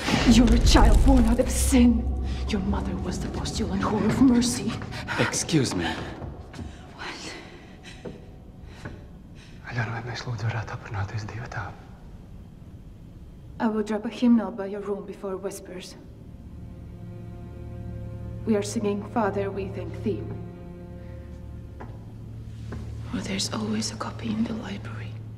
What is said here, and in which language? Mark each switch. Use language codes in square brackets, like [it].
[en] You're a child born out of sin. Your mother was the postulant whore of mercy. Excuse me. What? [lv] Aļan, vai mēs lūdzu varētu aprunāties divatā? [en] I will drop a hymnal by your room before whispers. We are singing Father, We Thank Thee. Well, there's always a copy in the library.